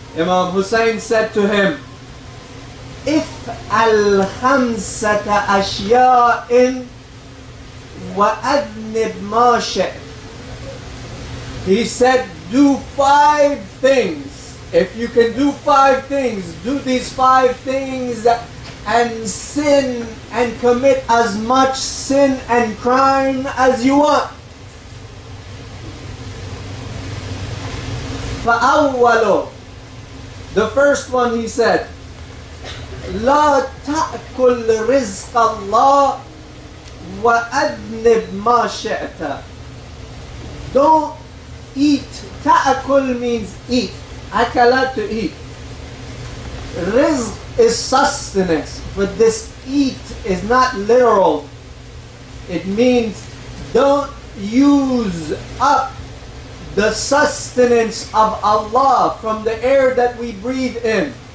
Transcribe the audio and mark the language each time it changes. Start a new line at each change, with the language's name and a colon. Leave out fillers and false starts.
English: Imam Hussein said to him,
Arabic: اِفْعَلْ خَمْسَةَ أَشْيَاءٍ وَأَذْنِبْ مَا شِئْتَ.
English: He said, do five things. If you can do five things, do these five things and sin and commit as much sin and crime as you want.
Arabic: فَأَوَّلُ.
English: The first one he said,
Arabic: لَا تَأْكُلْ رِزْقَ اللَّهِ وَأَذْنِبْ مَا شِئْتَ.
English: Don't eat. تَأْكُلْ means eat. Akala, to eat. Rizq is sustenance, but this eat is not literal. It means don't use up the sustenance of Allah from the air that we breathe in.